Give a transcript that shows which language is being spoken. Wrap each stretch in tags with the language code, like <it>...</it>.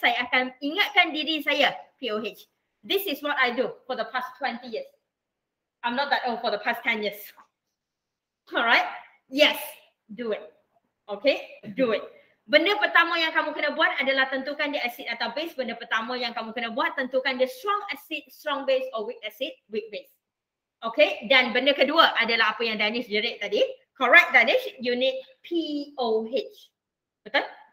<ms>Saya akan ingatkan diri saya POH.</ms> <en>This is what I do for the past 20 years. I'm not that old for the past 10 years. Alright, yes, do it. Okay, do it.</en> <ms>Benda pertama yang kamu kena buat adalah tentukan dia acid atau base. Benda pertama yang kamu kena buat tentukan dia strong acid, strong base or weak acid, weak base. Okay, dan benda kedua adalah apa yang Danish jerit tadi.</ms> <en>Correct, Danish, you need POH.</en> <ms>Betul?</ms>